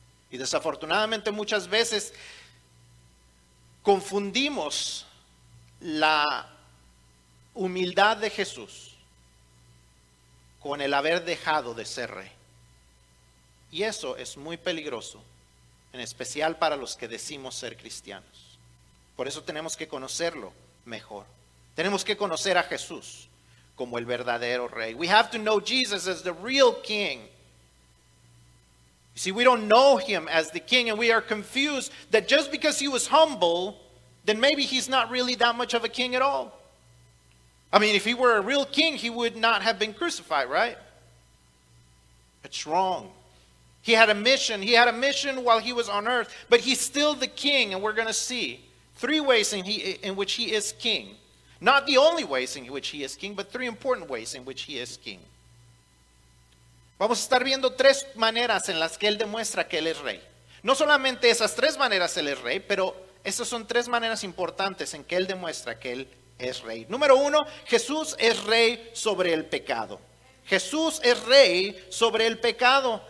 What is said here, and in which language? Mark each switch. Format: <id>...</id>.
<es>Y desafortunadamente muchas veces confundimos la humildad de Jesús con el haber dejado de ser rey. Y eso es muy peligroso, en especial para los que decimos ser cristianos. Por eso tenemos que conocerlo mejor. Tenemos que conocer a Jesús como el verdadero rey.</es> <en>We have to know Jesus as the real king. You see, we don't know him as the king, and we are confused that just because he was humble, then maybe he's not really that much of a king at all. I mean, if he were a real king, he would not have been crucified, right? It's wrong. He had a mission. He had a mission while he was on earth. But he's still the king. And we're going to see three ways in which he is king. Not the only ways in which he is king, but three important ways in which he is king.</en> <es>Vamos a estar viendo tres maneras en las que él demuestra que él es rey. No solamente esas tres maneras él es rey, pero esas son tres maneras importantes en que Él demuestra que Él es rey. Número uno, Jesús es rey sobre el pecado. Jesús es rey sobre el pecado.</es>